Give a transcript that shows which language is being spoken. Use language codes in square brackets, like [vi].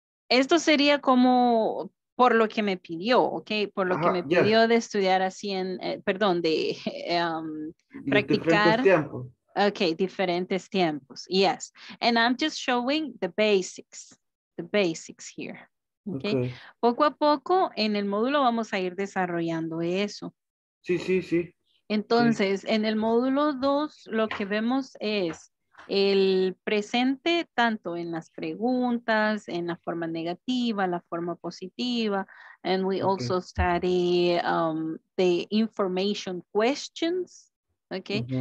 [es] Esto sería como por lo que me pidió, ¿ok? Por lo que me pidió de estudiar así en, perdón, de practicar. Diferentes tiempos. Ok, diferentes tiempos, yes. [en] And I'm just showing the basics here, okay? ¿Ok? [es] Poco a poco en el módulo vamos a ir desarrollando eso. Sí, sí, sí. Entonces, sí. En el módulo 2 lo que vemos es el presente, tanto en las preguntas, en la forma negativa, la forma positiva, [en] and we also study the information questions, okay?